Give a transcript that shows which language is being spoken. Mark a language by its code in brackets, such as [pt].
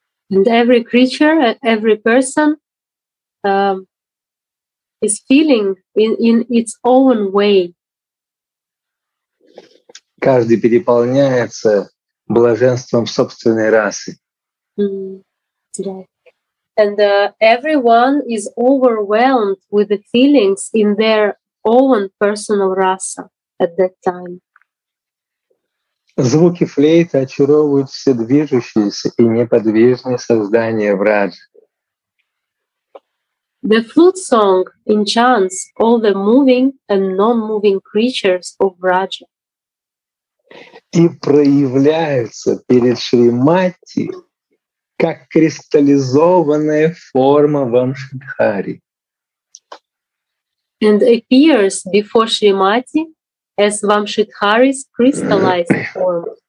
[en] And every creature, every person is feeling in its own way. [ru] Каждый переполняется блаженством собственной расы. [en] And everyone is overwhelmed with the feelings in their own personal rasa at that time. [ru] Звуки флейты очаровывают все движущиеся и неподвижные создания Враджа. [en] The flute song enchants all the moving and non-moving creatures of Vraja. [ru] И проявляются перед Шримати как кристаллизованная форма Вамшанхари. [en] And appears before Шримати as Vamshidhari's crystallized form.